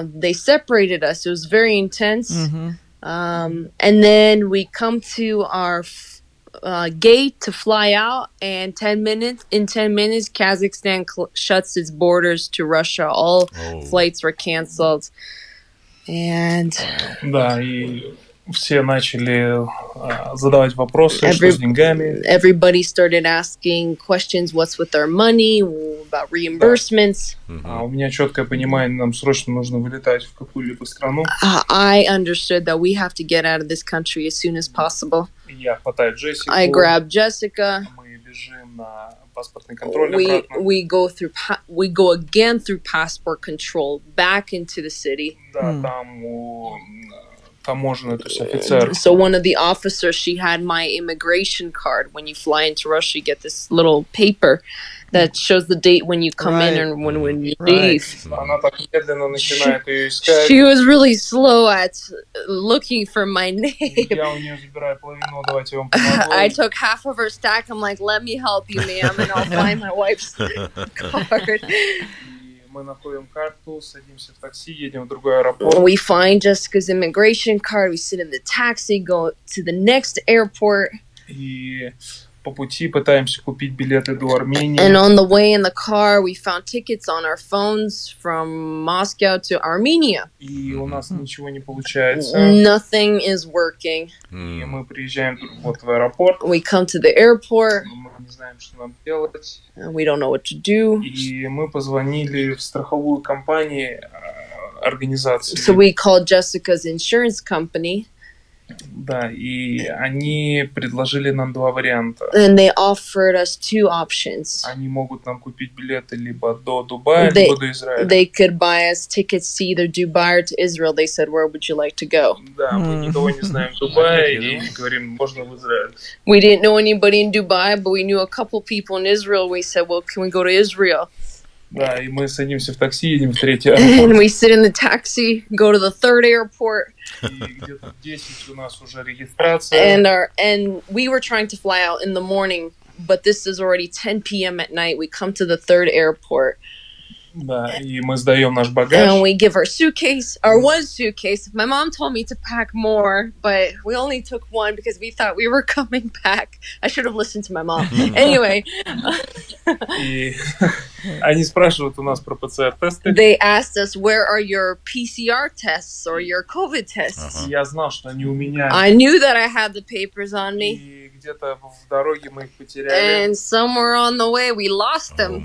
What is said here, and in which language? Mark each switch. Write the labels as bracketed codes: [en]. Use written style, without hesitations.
[en] They separated us. It was very intense. And then we come to our gate to fly out, and in 10 minutes, Kazakhstan shuts its borders to Russia. All flights were canceled. And [ru] да, и все начали задавать вопросы, что с деньгами. [en] Everybody started asking questions, what's with our money, about reimbursements. [ru] У меня четкое понимание, нам срочно нужно вылетать в какую-либо страну. [en] I understood that we have to get out of this country as soon as possible. [ru] Я хватаю Джессику. [en] I grab Jessica. [ru] Мы бежим на паспортный контроль обратно. [en] We go again through passport control back into the city. [ru] Да, там у таможенный, то есть офицер. [en] So one of the officers, she had my immigration card. When you fly into Russia, you get this little paper that shows the date when you come in and when you leave. [ru] Она так медленно начинает ее искать. [en] She was really slow at looking for my name. [ru] Я у нее забираю половину, давайте я вам помогу. [en] I took half of her stack. I'm like, let me help you, ma'am, and I'll find my wife's card. [ru] Мы находим карту, садимся в такси, едем в другой аэропорт. [en] We find Jessica's immigration card, we sit in the taxi, go to the next airport. [ru] И по пути пытаемся купить билеты до Армении. [en] And on the way in the car, we found tickets on our phones from Moscow to Armenia. [ru] И у нас ничего не получается. [en] Nothing is working. [ru] И мы приезжаем вот в аэропорт. [en] We come to the airport. [ru] Мы не знаем, что нам делать. [en] And we don't know what to do. [ru] И мы позвонили в страховую компанию, организации. [en] So we called Jessica's insurance company. [ru] Да, и они предложили нам два варианта. [en] And they offered us two options. [ru] Они могут нам купить билеты либо до Дубая, либо до Израиля. [en] They could buy us tickets to either Dubai or to Israel. They said, where would you like to go? [ru] Да, мы никого не знаем в Дубае, и говорим, можно в Израиль. [en] We didn't know anybody in Dubai, but we knew a couple people in Israel. We said, well, can we go to Israel? [ru] Да, и мы садимся в такси, едем в третий аэропорт. [en] And we sit in the taxi, go to the third airport. [ru] И где-то 10 у нас уже регистрация. [en] And we were trying to fly out in the morning, but this is already 10 p.m. at night. We come to the third airport. [ru] Да, и мы сдаем наш багаж. [en] And we give our suitcase, our one suitcase. My mom told me to pack more, but we only took one because we thought we were coming back. I should have listened to my mom. Anyway. [ru] Они спрашивают у нас про ПЦР-тесты. [en] They asked us, where are your PCR tests or your COVID tests? [ru] Я знал, что они у меня. [en] I knew that I had the papers on me. [ru] Где-то в дороге мы их потеряли. [en] And somewhere on the way we lost them.